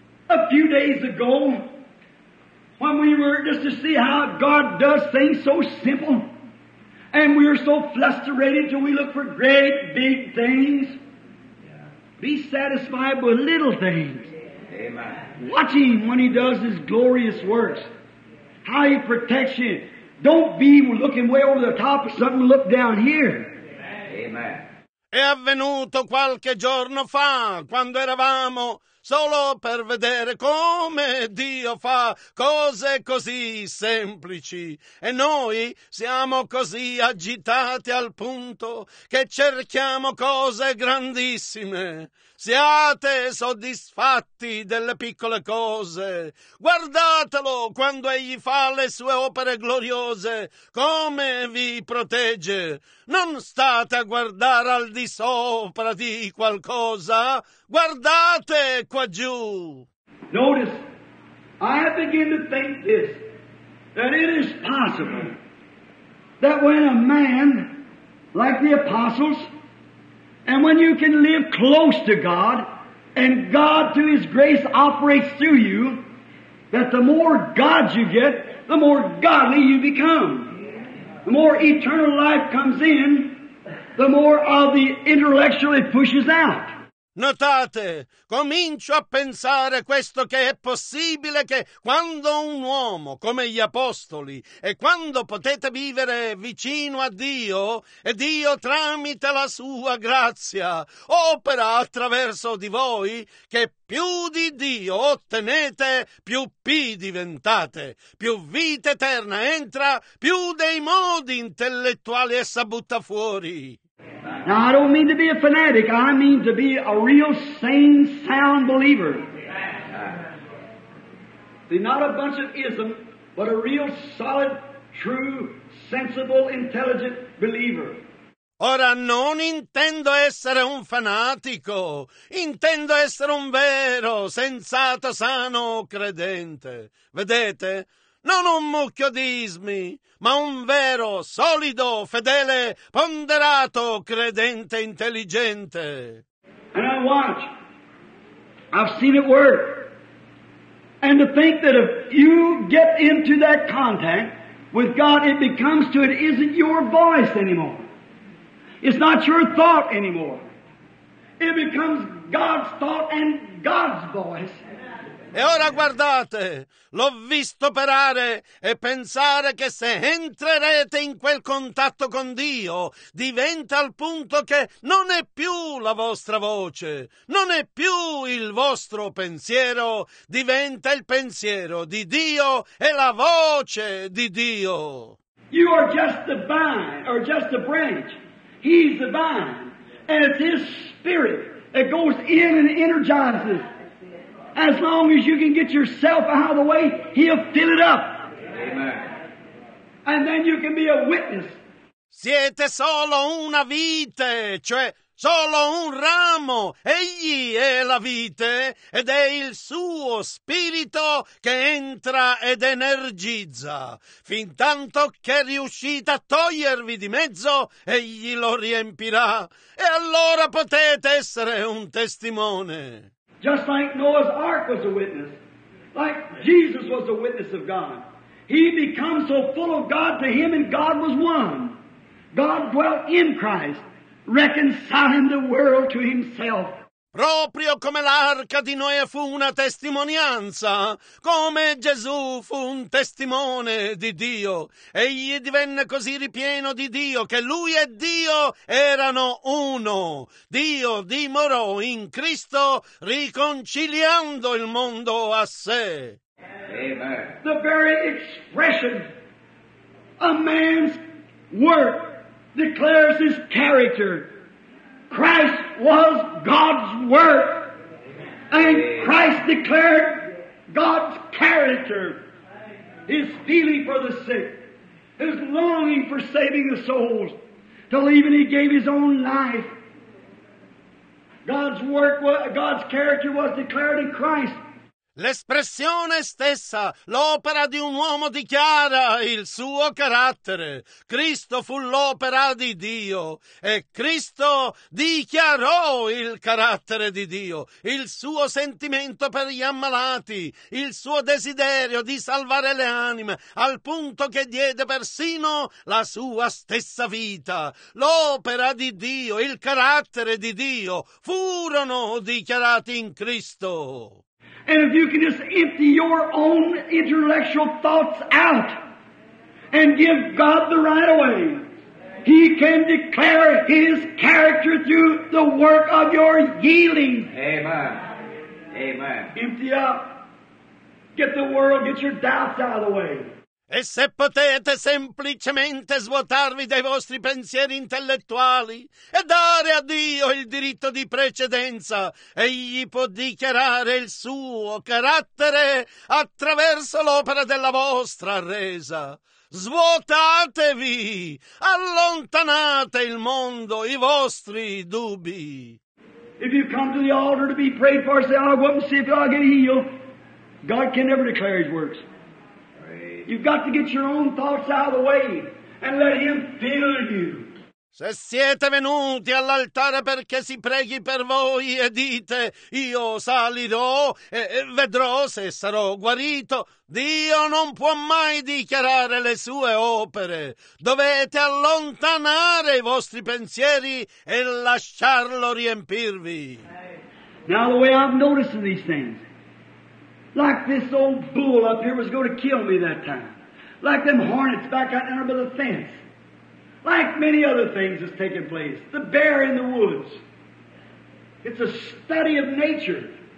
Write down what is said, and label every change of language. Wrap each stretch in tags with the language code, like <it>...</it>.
<en>A few days ago, when we were just to see how God does things so simple, and we are so frustrated till we look for great big things, be satisfied with little things. Amen. Watch Him when He does His glorious works, how He protects you. Don't be looking way over the top of something, look down here. Amen.</en> <it>È avvenuto qualche giorno fa, quando eravamo solo per vedere come Dio fa cose così semplici. E noi siamo così agitati al punto che cerchiamo cose grandissime. Siate soddisfatti delle piccole cose. Guardatelo quando Egli fa le sue opere gloriose, come vi protegge. Non state a guardare al di sopra di qualcosa. Guardate qua giù.</it> <en>Notice, I begin to think this, that it is possible that when a man like the apostles, and when you can live close to God, and God through His grace operates through you, that the more God you get, the more godly you become. The more eternal life comes in, the more of the intellectual it pushes out.</en> <it>Notate, comincio a pensare questo che è possibile che quando un uomo, come gli apostoli, e quando potete vivere vicino a Dio, e Dio tramite la sua grazia opera attraverso di voi, che più di Dio ottenete, più pi diventate, più vita eterna entra, più dei modi intellettuali essa butta fuori.</it> <en>Now, I don't mean to be a fanatic. I mean to be a real, sane, sound believer. See, not a bunch of ism, but a real, solid, true, sensible, intelligent believer.</en> <it>Ora non intendo essere un fanatico, intendo essere un vero, sensato, sano credente. Vedete? Non un mucchio di ismi, ma un vero, solido, fedele, ponderato, credente, intelligente.</it> <en>And I watch. I've seen it work. And to think that if you get into that contact with God, it becomes to it isn't your voice anymore. It's not your thought anymore. it becomes God's thought and God's voice.</en> <it>E ora guardate, l'ho visto operare e pensare che se entrerete in quel contatto con Dio, diventa al punto che non è più la vostra voce, non è più il vostro pensiero, diventa il pensiero di Dio e la voce di Dio.</it> <en>You are just the vine, or just the branch. He's the vine, and it's His Spirit that goes in and energizes. As long as you can get yourself out of the way, He'll fill it up. Amen. And then you can be a witness.</en> <it>Siete solo una vite, cioè solo un ramo. Egli è la vite ed è il suo spirito che entra ed energizza. Fin tanto che riuscite a togliervi di mezzo, egli lo riempirà. E allora potete essere un testimone.</it> <en>Just like Noah's Ark was a witness, like Jesus was a witness of God. He became so full of God to Him, and God was one. God dwelt in Christ, reconciling the world to Himself.</en> <it>Proprio come l'arca di Noè fu una testimonianza, come Gesù fu un testimone di Dio. Egli divenne così ripieno di Dio che lui e Dio erano uno. Dio dimorò in Cristo riconciliando il mondo a sé.</it> <en>Amen. The very expression of man's work declares his character. Christ was God's work, and Christ declared God's character, His feeling for the sick, His longing for saving the souls, till even He gave His own life. God's work, God's character was declared in Christ.</en> <it>L'espressione stessa, l'opera di un uomo dichiara il suo carattere. Cristo fu l'opera di Dio e Cristo dichiarò il carattere di Dio, il suo sentimento per gli ammalati, il suo desiderio di salvare le anime, al punto che diede persino la sua stessa vita. L'opera di Dio, il carattere di Dio, furono dichiarati in Cristo.</it> <en>And if you can just empty your own intellectual thoughts out and give God the right away, He can declare His character through the work of your yielding. Amen. Amen. Empty up. Get the world, get your doubts out of the way.</en> <it>E se potete semplicemente svuotarvi dai vostri pensieri intellettuali e dare a Dio il diritto di precedenza, egli può dichiarare il suo carattere attraverso l'opera della vostra resa. Svuotatevi! Allontanate il mondo, i vostri dubbi.</it> <en>If you come to the altar to be prayed for, say, I want to see if I can heal. God can never declare His works. You've got to get your own thoughts out of the way and let Him fill you.</en> <it>Se siete venuti all'altare perché si preghi per voi e dite io salirò e vedrò se sarò guarito, Dio non può mai dichiarare le sue opere. Dovete allontanare i vostri pensieri e lasciarlo riempirvi.</it> <en>Now the way I'm noticing these things, like this old bull up here was going to kill me that time. Like them hornets back out under the fence. Like many other things that's taking place. The bear in the woods. It's a study of nature.</en>